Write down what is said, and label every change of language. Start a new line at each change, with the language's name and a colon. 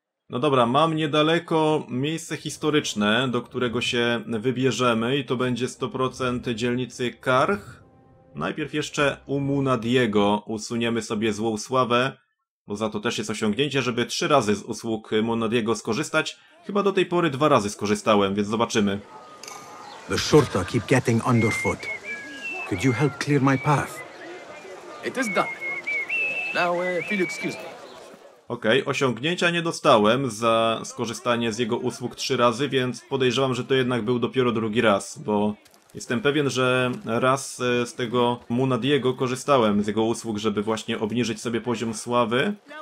Polish: No dobra, mam niedaleko miejsce historyczne, do którego się wybierzemy i to będzie 100% dzielnicy Karch. Najpierw jeszcze u Munadiego usuniemy sobie złą sławę, bo za to też jest osiągnięcie, żeby 3 razy z usług Munadiego skorzystać. Chyba do tej pory 2 razy skorzystałem, więc zobaczymy.
English: The Shurta keep getting underfoot. Could you help clear my path? It is done. Now, feel excuse me.
Polish: Okej, osiągnięcia nie dostałem za skorzystanie z jego usług 3 razy, więc podejrzewam, że to jednak był dopiero 2 raz, bo jestem pewien, że raz z tego Munadiego korzystałem z jego usług, żeby właśnie obniżyć sobie poziom sławy.